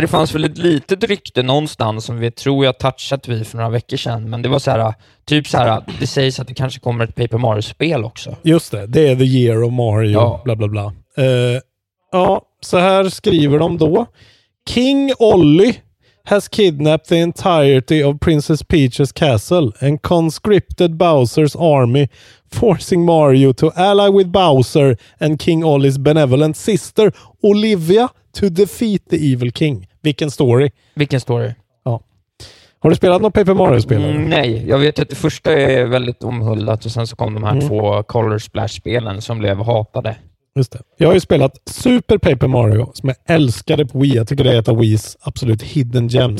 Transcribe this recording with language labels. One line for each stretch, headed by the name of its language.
Swedish: Det fanns väl ett litet rykte någonstans som vi tror jag touchat vid för några veckor sedan. Men det var så här, typ så här, det sägs att det kanske kommer ett Paper Mario-spel också. Just det, det är The Year of Mario, bla bla bla. Ja, så här skriver de då. King Ollie
English: has kidnapped the entirety of Princess Peach's castle and conscripted Bowser's army, forcing Mario to ally with Bowser and King Ollie's benevolent sister Olivia to defeat the evil king.
Swedish: Vilken story. Vilken story. Ja. Har du spelat något Paper Mario-spel? Mm, nej, jag vet att det första är väldigt omhullat och sen så kom de här två Color Splash-spelen som blev hatade. Just det. Jag har ju spelat Super Paper Mario som jag älskade på Wii. Jag tycker det är ett av Wii's absolut
English: hidden gems.